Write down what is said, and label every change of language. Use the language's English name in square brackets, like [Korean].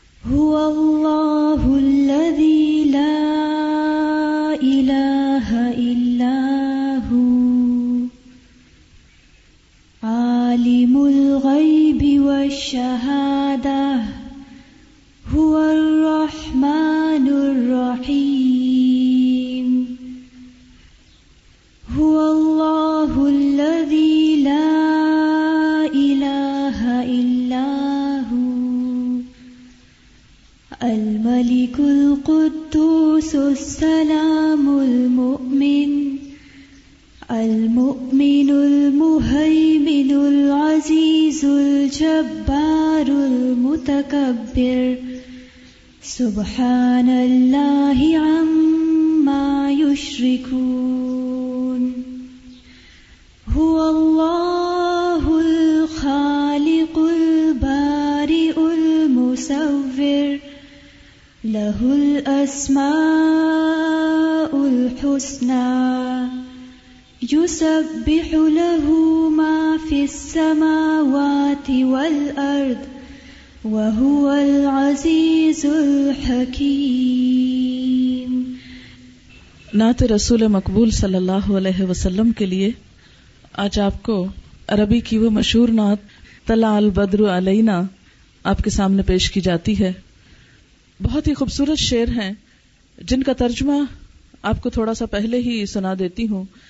[Arabic] هو اللہ الذی لا الہ الا ہو عالم الغیب والشہادہ هو الرحمن الرحيم. هو الله الذي لا إله إلا هو الملك القدوس السلام المؤمن المؤمن المهيمن العزيز الجبار المتكبر سبحان اللہ عما یشرکون. هو اللہ الخالق البارئ المصور له الاسماء الحسنى یسبح له ما فی السماوات والارض وهو العزيز الحكيم. [Urdu] نعت رسول مقبول صلی اللہ علیہ وسلم کے لیے آج آپ کو عربی کی وہ مشہور نعت طلع البدر علینا آپ کے سامنے پیش کی جاتی ہے. بہت ہی خوبصورت شعر ہیں جن کا ترجمہ آپ کو تھوڑا سا پہلے ہی سنا دیتی ہوں.